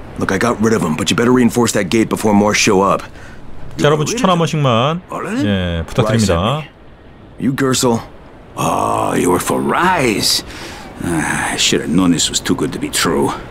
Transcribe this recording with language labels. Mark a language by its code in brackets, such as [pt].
[en] Look, I got rid of them, but you better reinforce that gate before more show up. [ko] 자, 여러분 추천 한 번씩만 예, 부탁드립니다. [en] You Gersel. Oh, you're for Rise. I should have known this was too good to be true.